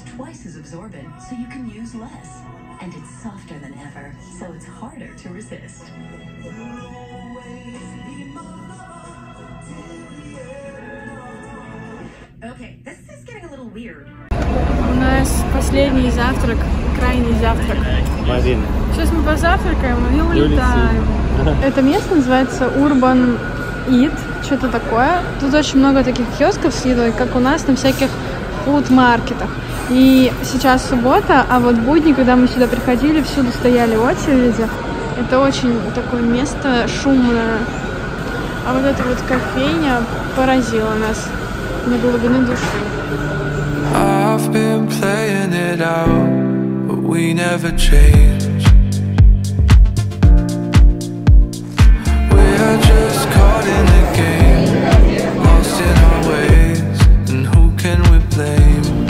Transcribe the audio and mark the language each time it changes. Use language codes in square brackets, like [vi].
[en] So you can use less, and it's softer than ever, so it's harder to resist. Okay, this is getting a little weird. [ru] У нас последний завтрак, крайний завтрак. Марина. Сейчас мы позавтракаем и улетаем. Это место называется Urban Eat, что-то такое. Тут очень много таких киосков с едой, как у нас на всяких фуд-маркетах. И сейчас суббота, а вот будни, когда мы сюда приходили, всюду стояли очереди. Это очень такое место шумное. А вот эта вот кофейня поразила нас на глубины души. [en] I've been playing it out, but we never change. We are just caught in the game, lost in our ways, and who can we blame?